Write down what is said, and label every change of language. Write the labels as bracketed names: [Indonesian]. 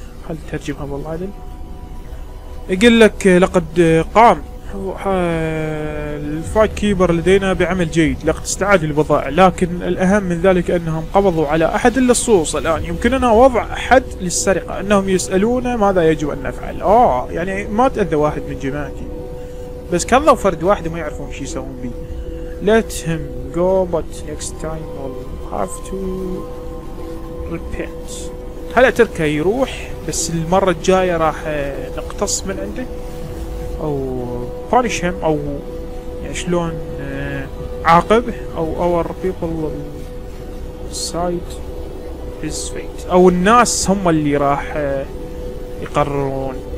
[Arabic] هل ترجمها بالعدل؟ يقول لك لقد قام الفايت كيبر لدينا بعمل جيد لقد استعاد البضائع لكن الأهم من ذلك أنهم قبضوا على أحد اللصوص. الآن يمكننا وضع حد للسرقة. أنهم يسألون ماذا يجب أن نفعل. يعني ما تأذى واحد من جماعتي بس كذا فرد واحد ما يعرفون شي يسوون بي. [English] Let him go but next time we'll have to repent. [Arabic] هلا تركه يروح بس المرة الجاية راح نقتص من عنده او [English] punish him [Arabic] او يعني شلون عاقب او [English] our people decide his fate [Arabic] او الناس هم اللي راح يقررون.